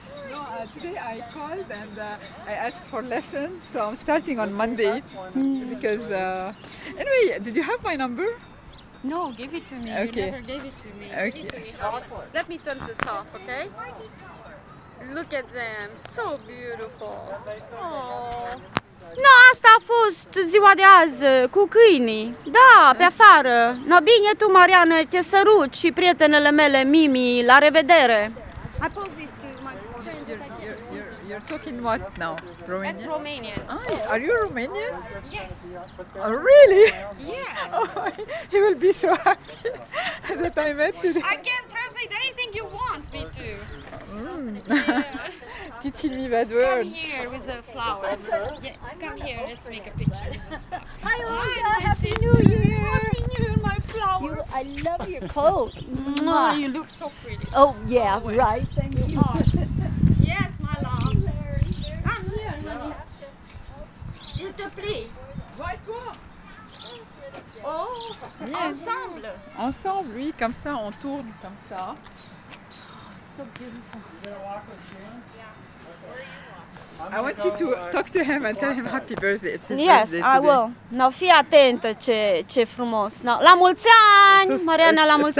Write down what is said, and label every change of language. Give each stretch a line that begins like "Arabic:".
English: No, today I called and I asked for lessons, so I'm starting on Monday. Because, anyway, did you have my number? No, give it to me. Okay. You never gave it to me. Okay. Give it to me. Let me turn this off, okay? Look at them, so beautiful.
Romanian: No, asta a fost ziua de azi cu câinii. Da, pe afară. No, bine tu, Mariana, te sărut și prietenele mele, Mimi, la revedere.
English: I pose this to my friends. You're talking what now? Romanian? That's Romanian. Oh, are you Romanian? Yes. Oh, really? Yes. Oh, he will be so happy that I met today. I can translate anything you want me to. Yeah. Teaching me bad words. Come here with the flowers. Yeah, come here, let's make a picture. Hi, Olga. Hi, Happy sister. New Year. Happy New Year, my flower. You, I love your coat. Mwah. You look so pretty. Oh, yeah, always. Right. Thank you. Oh. Yes, my love. I'm here, honey.
French: S'il te plaît.
English: Oh, yes.
French: Ensemble. Ensemble, oui, comme ça, on tourne comme ça.
English: So beautiful. You gonna walk with June? Yeah. Okay. Where are you walking? I want you to talk to him and tell him happy birthday. It's his yes, birthday I will.
Romanian: No, fii atentă ce frumos. No, la mulți ani, so, Mariana, la mulți